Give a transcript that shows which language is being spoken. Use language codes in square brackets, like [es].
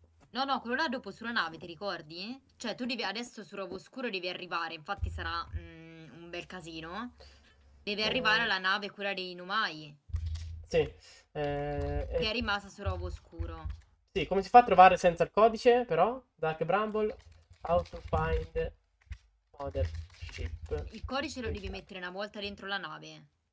[it] No, no, quello là dopo sulla nave, ti ricordi? Cioè, tu devi adesso su Rovo Oscuro devi arrivare, infatti sarà un bel casino. Devi arrivare alla nave, quella dei Numai. Sì. Che è rimasta su Rovo Oscuro. Sì, come si fa a trovare senza il codice, però? [en] Dark Bramble, how to find mother ship. [it] Il codice lo devi mettere una volta dentro la nave.